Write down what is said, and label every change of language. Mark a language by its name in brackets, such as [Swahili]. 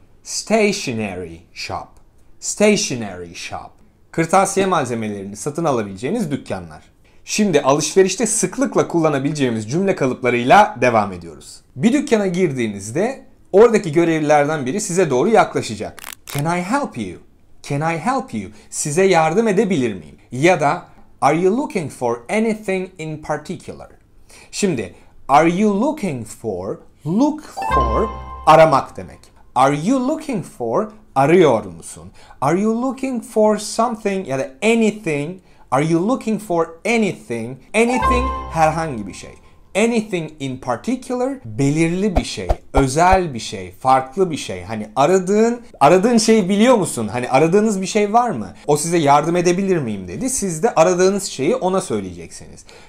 [English] Stationery shop. Stationery shop. [Turkish] Kırtasiye malzemelerini satın alabileceğiniz dükkanlar. Şimdi alışverişte sıklıkla kullanabileceğimiz cümle kalıplarıyla devam ediyoruz. Bir dükkana girdiğinizde oradaki görevlilerden biri size doğru yaklaşacak. [English] Can I help you? Can I help you? [Turkish] Size yardım edebilir miyim? Ya da [English] are you looking for anything in particular? [Turkish] Şimdi [English] are you looking for, look for, [Turkish] aramak demek. [English] Are you looking for, [Turkish] arıyor musun? [English] Are you looking for something [Turkish] ya da [English] anything? Are you looking for anything? Anything [Turkish] herhangi bir şey. [English] Anything in particular, [Turkish] belirli bir şey, özel bir şey, farklı bir şey. Hani aradığın şeyi biliyor musun? Hani aradığınız bir şey var mı? O size yardım edebilir miyim dedi. Siz de aradığınız şeyi ona söyleyeceksiniz.